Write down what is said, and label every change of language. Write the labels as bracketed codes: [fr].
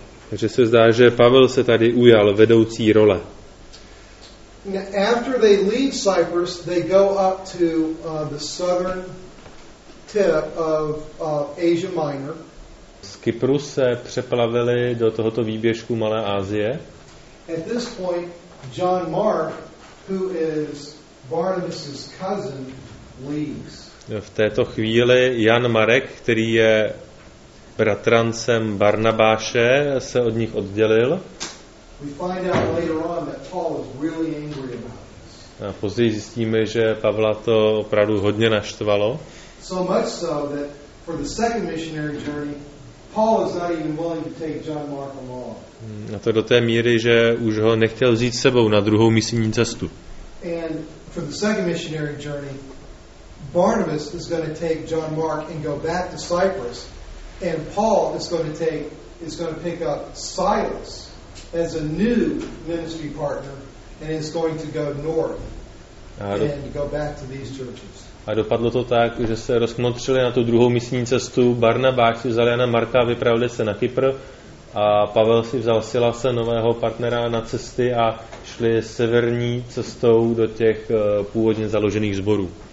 [cs] Takže se zdá, že Pavel se tady ujal vedoucí role. [en] After they leave Cyprus, they go up to the southern tip of Asia Minor. [cs] Z Kypru se přeplavili do tohoto výběžku Malé Asie. [en] At this point, John Mark, who is Barnabas's cousin, leaves. [cs] V této chvíli Jan Marek, který je bratrancem Barnabáše, se od nich oddělil. [en] We find out later on that Paul is really angry about this. [cs] A později zjistíme, že Pavla to opravdu hodně naštvalo. [en] So much so that for the second missionary journey, Paul is not even willing to take John Mark along. [cs] A to do té míry, že už ho nechtěl vzít sebou na druhou misijní cestu. [en] And for the second missionary journey, Barnabas is going to take John Mark and go back to Cyprus, and Paul is going to pick up Silas as a new ministry partner, and is going to go north and go back to these churches. [cs] A dopadlo to tak, že se rozkmotřili na tu druhou misijní cestu. Barnabáš si vzal Jana Marka a vypravili se na Kypr. A Pavel si vzal Silase, nového partnera, na cesty a šli severní cestou do těch původně založených zborů.